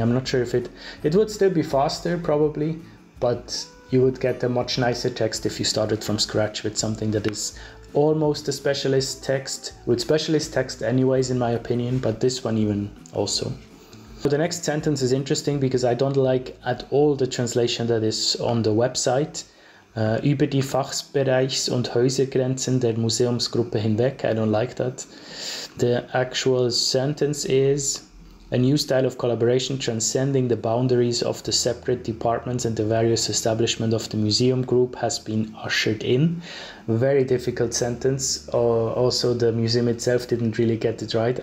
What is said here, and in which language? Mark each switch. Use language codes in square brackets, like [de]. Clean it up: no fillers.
[en] I'm not sure if it would still be faster, probably, but you would get a much nicer text if you started from scratch with something that is almost a specialist text, with specialist text anyways, in my opinion, but this one even also. So the next sentence is interesting because I don't like at all the translation that is on the website. [de] Über die Fachbereichs- und Häusergrenzen der Museumsgruppe hinweg. [en] I don't like that. The actual sentence is a new style of collaboration transcending the boundaries of the separate departments and the various establishments of the museum group has been ushered in. Very difficult sentence. Also, the museum itself didn't really get it right.